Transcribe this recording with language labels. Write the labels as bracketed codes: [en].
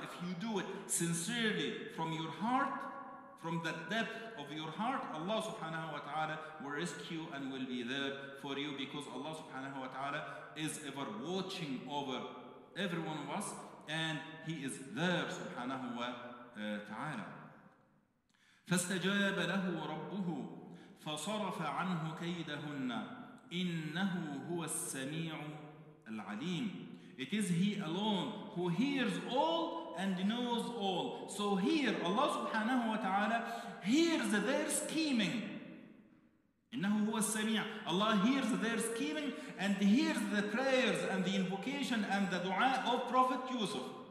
[en] If you do it sincerely from your heart, from the depth of your heart, Allah subhanahu wa ta'ala will rescue and will be there for you, because Allah subhanahu wa ta'ala is ever watching over every one of us and He is there subhanahu wa ta'ala. [ar] فَاسْتَجَابَ لَهُ رَبُّهُ فصرف عنه كيدهن إنه هو السميع العليم. [en] It is He alone who hears all and knows all. So here Allah subhanahu wa ta'ala hears their scheming. [ar] إنه هو السميع. [en] Allah hears their scheming and hears the prayers and the invocation and the dua of Prophet Yusuf.